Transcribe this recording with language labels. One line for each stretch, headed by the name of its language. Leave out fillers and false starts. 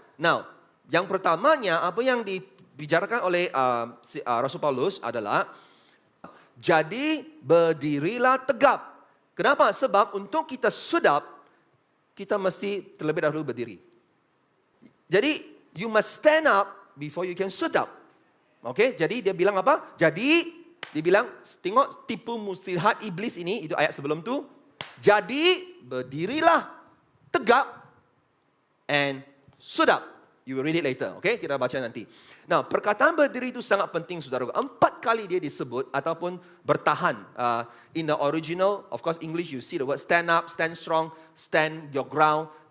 English: Now,
Malay: yang pertamanya apa yang dibicarakan oleh Rasul Paulus adalah jadi berdirilah tegap. Kenapa? Sebab untuk kita sudap kita mesti terlebih dahulu berdiri. Jadi,
English: you must stand up before you can sit up.
Malay: Okay, jadi dia bilang apa? Jadi, dia bilang, tengok tipu muslihat iblis ini, itu ayat sebelum tu. Jadi, berdirilah, tegak,
English: and sit up. You will read it later, okay?
Malay: Kita baca nanti. Nah, perkataan berdiri itu sangat penting, saudara. Empat kali dia disebut ataupun bertahan.
English: In the original, of course, English, you see the word stand up, stand strong, stand your ground.